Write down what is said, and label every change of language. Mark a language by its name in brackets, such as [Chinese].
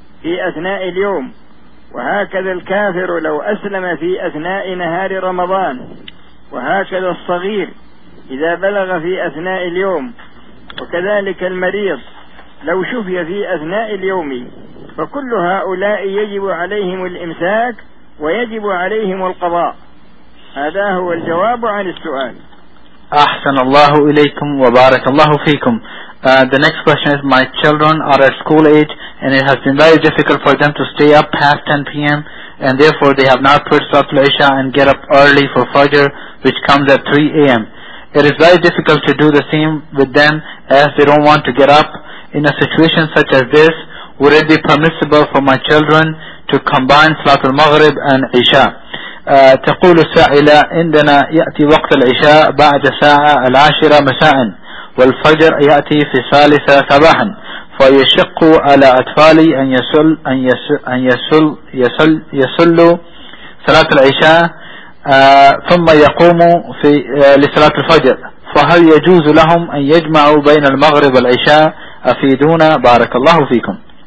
[Arabic] في أثناء اليوم، وهكذا الكافر لو أسلم في أثناء نهار رمضان، وهكذا الصغير إذا بلغ في أثناء اليوم، وكذلك المريض لو شفي في أثناء اليوم. فكل هؤلاء يجب عليهم الإمساك ويجب عليهم القضاء. هذا هو الجواب عن السؤال. أحسن الله إليكم وبارك الله فيكم. [English] The next question is, my children are at school age and it has been very difficult for them to stay up past 10 p.m. and therefore they have not put Salatul Isha and get up early for Fajr, which comes at 3 a.m. It is very difficult to do the same with them as they don't want to get up. In a situation such as this, would it be permissible for my children to combine Salatul Maghrib and Isha? [Arabic] تقول السائلة عندنا يأتي وقت العشاء بعد ساعة العاشرة مساء والفجر يأتي في الثالثة صباحا فيشق على أطفالي أن يصلوا صلاة العشاء ثم يقوموا في لصلاة الفجر فهل يجوز لهم أن يجمعوا بين المغرب والعشاء أفيدونا بارك الله فيكم.